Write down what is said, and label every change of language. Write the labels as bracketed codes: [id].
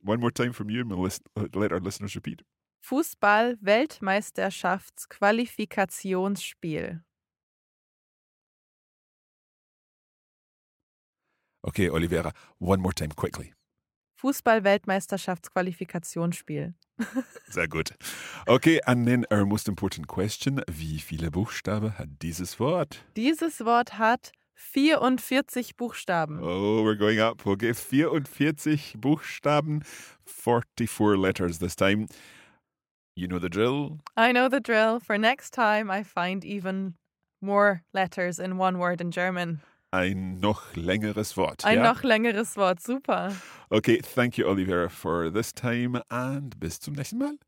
[en] One more time from you and we'll let our listeners repeat. [de] Fußball-Weltmeisterschafts-Qualifikationsspiel. [en] Okay, Oliveira, one more time, quickly. [de] Fußball-Weltmeisterschaftsqualifikationsspiel. Sehr gut. [en] Okay, and then our most important question. [de] Wie viele Buchstaben hat dieses Wort? Dieses Wort hat 44 Buchstaben. [en] Oh, we're going up. Okay, [de] 44 Buchstaben, [en] 44 letters this time. You know the drill? I know the drill. For next time, I find even more letters in one word in German. [de] Ein noch längeres Wort. Ein ja? noch längeres Wort, super. [en] Okay, thank you, Oliveira, for this time and [de] bis zum nächsten Mal.